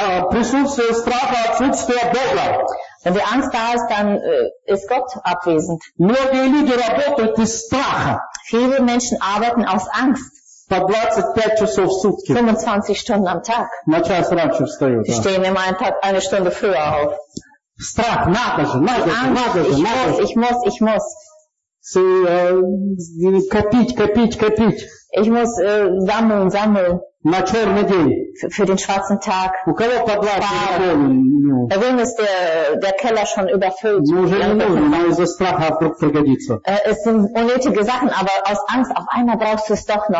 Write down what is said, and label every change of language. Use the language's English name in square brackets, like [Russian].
[Russian] Присутствие страха отсутствие Бога. [German] Wenn die Angst da ist, dann ist Gott abwesend. [Russian] Многие люди работают из страха. [German] Viele Menschen arbeiten aus Angst. [Russian] По 25 часов в сутки. [German] 25 Stunden am Tag. [Russian] На час раньше встаю. [German] Sie stehen immer einen Tag, eine Stunde früher auf. [Russian] Страх, надо же. Копить. [German] Ich muss sammeln. [Russian] На черный день. [German] Für den schwarzen Tag. [Russian] У кого подлазит? [German] Wem ist der Keller schon überfüllt? [Russian] Ну, уже не нужно, но из-за страха вдруг пригодится. [German] Es sind unnötige Sachen, aber aus Angst auf einmal brauchst du es doch noch.